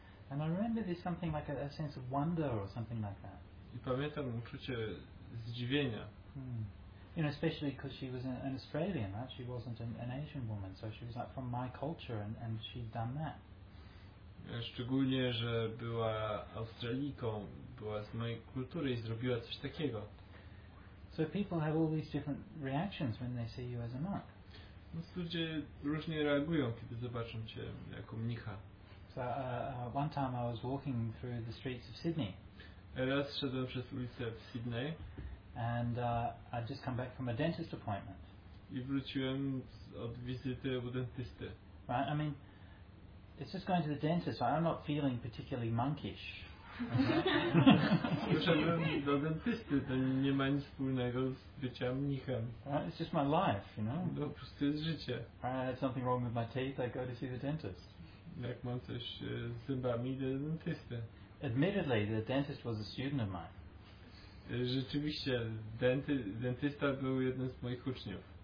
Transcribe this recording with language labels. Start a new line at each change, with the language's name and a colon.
English: And I remember there's something like a sense of wonder or something like that.
Polish: I pamiętam uczucie zdziwienia.
English: You know, especially because she was an Australian, right? She wasn't an Asian woman, so she was like from my culture, and she'd done that.
Polish: Szczególnie, że była Australijką, była z mojej kultury i zrobiła coś takiego.
English: So people have all these different reactions when they see you as a monk.
Polish: No, ludzie różnie reagują, kiedy zobaczą cię jako mnicha.
English: So one time I was walking through the streets of Sydney.
Polish: Raz szedłem przez ulicę w Sydney.
English: And I'd just come back from a dentist appointment.
Polish: I wróciłem od wizyty u dentysty.
English: Right, I mean, it's just going to the dentist, so I'm not feeling particularly monkish.
Polish: Wróciłem do dentysty, to nie ma nic wspólnego z byciem mnichem.
English: Right, it's just my life, you know.
Polish: No, po prostu jest życie.
English: Right, I had something wrong with my teeth, I go to see the dentist.
Polish: Jak mam coś z zębami, idę do dentysty.
English: Admittedly, the dentist was a student of mine.
Polish: Rzeczywiście, dentysta był jednym z moich uczniów.